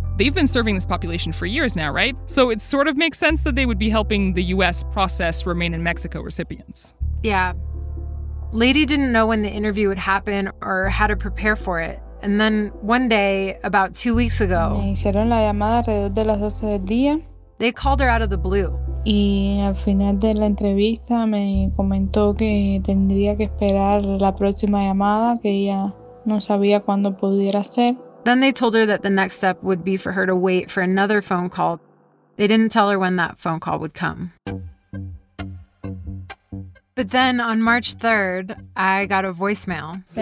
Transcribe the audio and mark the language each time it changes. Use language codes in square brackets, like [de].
[en] They've been serving this population for years now, right? So it sort of makes sense that they would be helping the U.S. process Remain in Mexico recipients. Yeah. Lady didn't know when the interview would happen or how to prepare for it. And then one day, about 2 weeks ago, they called her out of the blue. [es] Y al final de la entrevista me comentó que tendría que esperar la próxima llamada, que ella no sabía cuándo pudiera ser. [en] Then they told her that the next step would be for her to wait for another phone call. They didn't tell her when that phone call would come. But then on March 3rd, I got a voicemail.